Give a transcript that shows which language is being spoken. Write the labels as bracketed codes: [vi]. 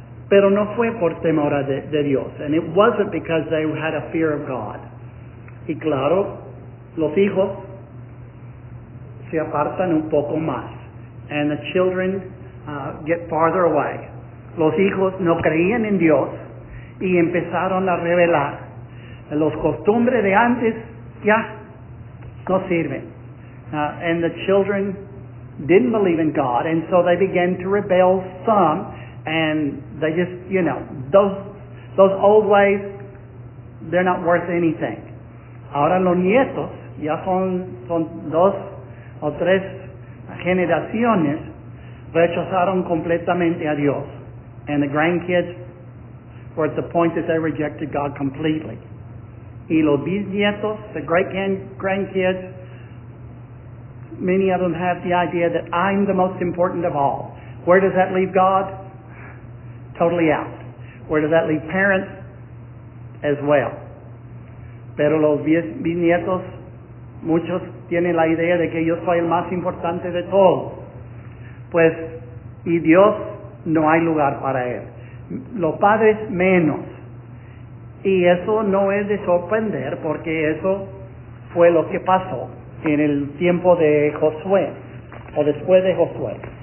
[es] Pero no fue por temor de Dios. [en] And it wasn't because they had a fear of God. [es] Y claro, los hijos se apartan un poco más. [en] And the children get farther away. [es] Los hijos no creían en Dios y empezaron a rebelar. Los costumbres de antes ya no sirven. [en] And the children didn't believe in God, and so they began to rebel some, and they just, you know, those old ways, they're not worth anything. [es] Ahora los nietos ya son dos o tres generaciones, rechazaron completamente a Dios. [en] And the grandkids were at the point that they rejected God completely. [es] Y los bisnietos, [en] the great-grandkids, many of them have the idea that I'm the most important of all. Where does that leave God? Totally out. Where does that leave parents? As well. [es] Pero los bisnietos Muchos tienen la idea de que yo soy el más importante de todos. Pues, y Dios no hay lugar para él. Los padres menos. Y eso no es de sorprender, porque eso fue lo que pasó en el tiempo de Josué, o después de Josué.